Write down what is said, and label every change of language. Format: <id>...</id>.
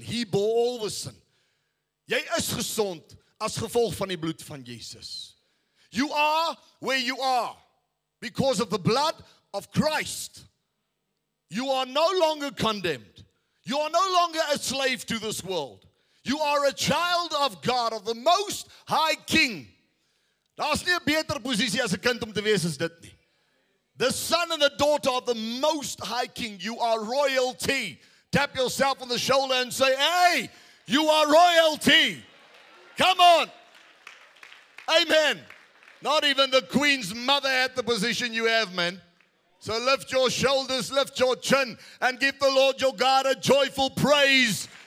<en>He bore all the sin.</en> <af>Jy is gesond as gevolg van die bloed van Jesus.</af> <en>You are where you are because of the blood of Christ. You are no longer condemned. You are no longer a slave to this world. You are a child of God, of the Most High King.</en> <af>Daar's nie 'n beter posisie as 'n kind om te wees as dit nie.</af> <en>The son and the daughter of the Most High King. You are royalty. Tap yourself on the shoulder and say, hey, you are royalty. Come on. Amen. Not even the Queen's mother had the position you have, man. So lift your shoulders, lift your chin, and give the Lord your God a joyful praise.</en>